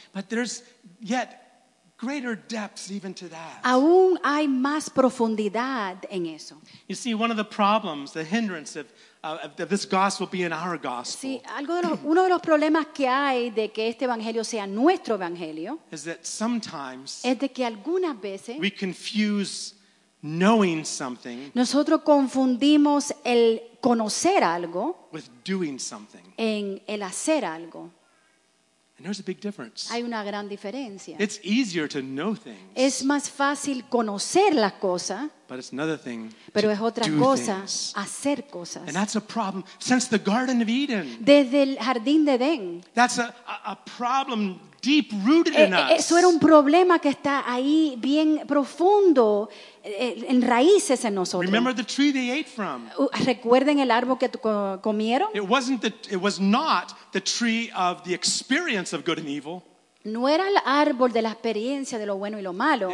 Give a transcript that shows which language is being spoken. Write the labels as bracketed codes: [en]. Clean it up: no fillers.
[en] But there's yet greater depths even to that. [es] Aún hay más profundidad en eso. [en] You see, one of the problems, the hindrance of this gospel being our gospel. [es] Sí, algo de uno de los problemas que hay de que este evangelio sea nuestro evangelio. [en] Is that sometimes [es] es de que algunas veces [en] we confuse knowing something. [es] Nosotros confundimos el conocer algo [en] with doing something. [es] En el hacer algo. [en] And there's a big difference. [es] Hay una gran diferencia. [en] It's easier to know things. [es] Es más fácil conocer las cosas. [en] But it's another thing [es] pero [en] to [es] es otra [en] do [es] cosa [en] things. [es] Hacer cosas. [en] And that's a problem since the Garden of Eden. [es] Desde el Jardín de Edén. [en] That's a problem deep-rooted in us. [es] Eso era un problema que está ahí bien profundo, en raíces en nosotros. [en] Remember the tree they ate from. [es] ¿Recuerden el árbol que comieron? [en] It was not the tree of the experience of good and evil. [es] No era el árbol de la experiencia de lo bueno y lo malo.